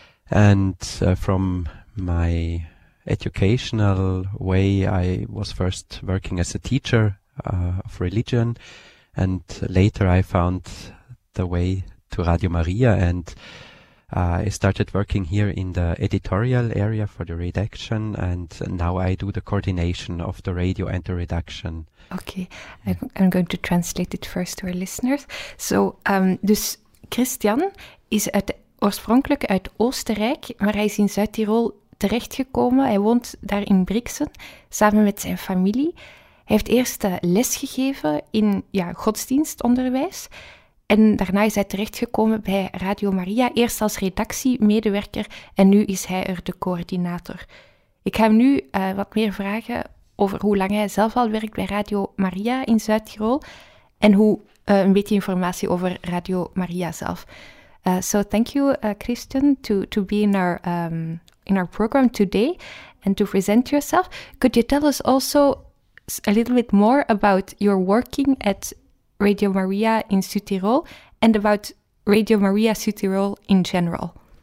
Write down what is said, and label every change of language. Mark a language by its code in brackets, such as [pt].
[en] And from my educational way, I was first working as a teacher of religion, and later I found the way to Radio Maria, and I started working here in the editorial area for the redaction, and now I do the coordination of the radio and the redaction. Okay, yeah. I'm going to translate it first to our listeners. [nl] So, dus Christian is oorspronkelijk uit Oostenrijk, maar hij is in Zuid-Tirol terechtgekomen. Hij woont daar in Brixen, samen met zijn familie. Hij heeft eerst lesgegeven in godsdienstonderwijs. En daarna is hij terechtgekomen bij Radio Maria, eerst als redactiemedewerker en nu is hij er de coördinator. Ik ga hem nu wat meer vragen over hoe lang hij zelf al werkt bij Radio Maria in Zuid-Tirol en hoe een beetje informatie over Radio Maria zelf. [en] So thank you, Christian, to be in our program today and to present yourself. Could you tell us also a little bit more about your working at Radio Maria in Südtirol and about Radio Maria Südtirol in general?